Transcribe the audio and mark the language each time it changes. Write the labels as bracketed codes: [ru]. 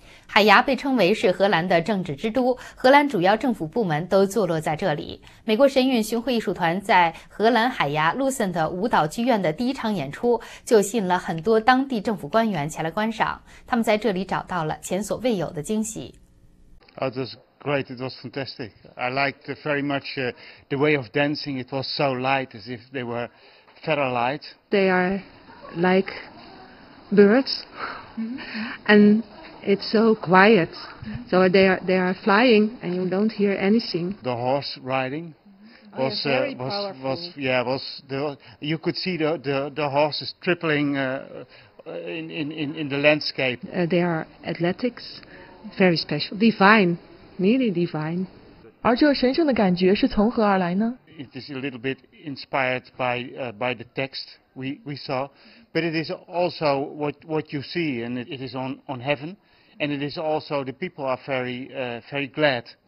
[zh] 海牙被称为是荷兰的政治之都，荷兰主要政府部门都坐落在这里。美国神韵巡回艺术团在荷兰海牙卢森的舞蹈剧院的第一场演出，就吸引了很多当地政府官员前来观赏。他们在这里找到了前所未有的惊喜。 [en] Oh, this is great. It was fantastic. I liked very much the way of dancing. It was so light, as if they were feather light. They are like birds, and it's so quiet. So they are flying, and you don't hear anything. The horse riding was Oh, very was yeah was the you could see the horses tripling in the landscape. They are athletics. Very special, divine, really divine. [zh] 而这神圣的感觉是从何而来呢？ [en] It is a little bit inspired by the text we saw, but it is also what you see, and it is on heaven, and it is also the people are very glad.